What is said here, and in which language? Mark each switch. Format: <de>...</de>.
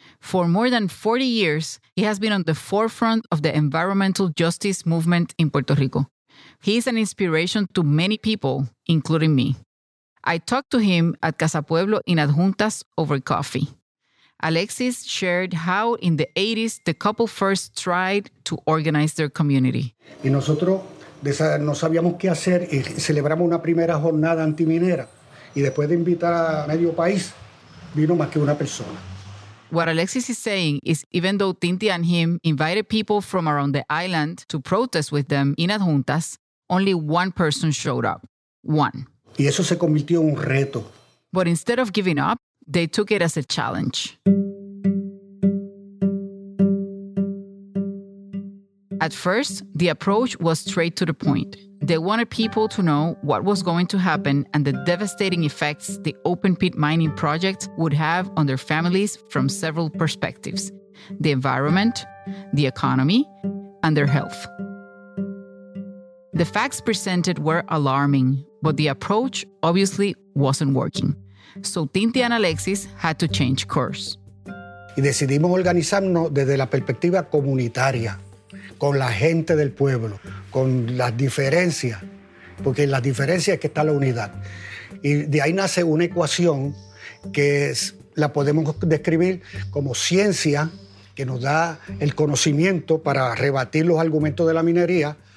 <en>For more than 40 years, he has been on the forefront of the environmental justice movement in Puerto Rico. He is an inspiration to many people, including me. I talked to him at Casa Pueblo in Adjuntas over coffee. Alexis shared how in the 80s the couple first tried to organize their community.</en> <es>Y nosotros no sabíamos qué hacer y celebramos una primera jornada antiminera. Y después de invitar a medio país, vino más que una persona.</es> <en>What Alexis is saying is even though Tinti and him invited people from around the island to protest with them in Adjuntas, only one person showed up. One.</en> <es>Y eso se convirtió en un reto.</es> <en>But instead of giving up, they took it as a challenge. At first, the approach was straight to the point. They wanted people to know what was going to happen and the devastating effects the open pit mining project would have on their families from several perspectives: the environment, the economy, and their health. The facts presented were alarming, but the approach obviously wasn't working. So Tinti and Alexis had to change course.</en> <es>Y decidimos organizarnos desde la perspectiva comunitaria, con la gente del pueblo, con las diferencias, porque en las diferencias es que está la unidad. Y de ahí nace una ecuación que es, la podemos describir como ciencia, que nos da el conocimiento para rebatir los argumentos de la minería,</es>